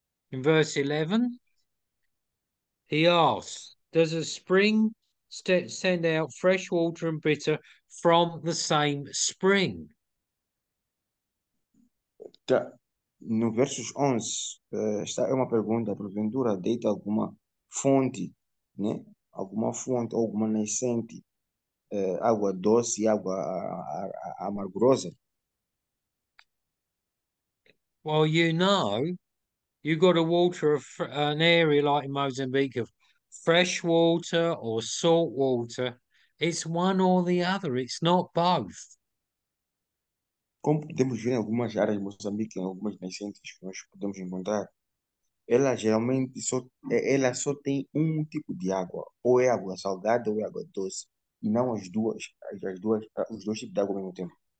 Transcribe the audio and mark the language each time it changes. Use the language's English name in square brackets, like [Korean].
[English] In verse 11, he asks, does a spring st send out fresh water and bitter from the same spring? [Portuguese] No verso 11, está é uma pergunta: porventura deita alguma fonte, né? Alguma fonte, alguma nascente, água doce e água amargurosa? [English] Well, you know, you've got to water an area like Mozambique of fresh water or salt water, it's one or the other, it's not both. [Portuguese] Como podemos ver em algumas áreas de Moçambique, em algumas nascentes que nós podemos encontrar, ela só tem um tipo de água, ou é água salgada ou é água doce, e não os dois tipos de água ao mesmo tempo.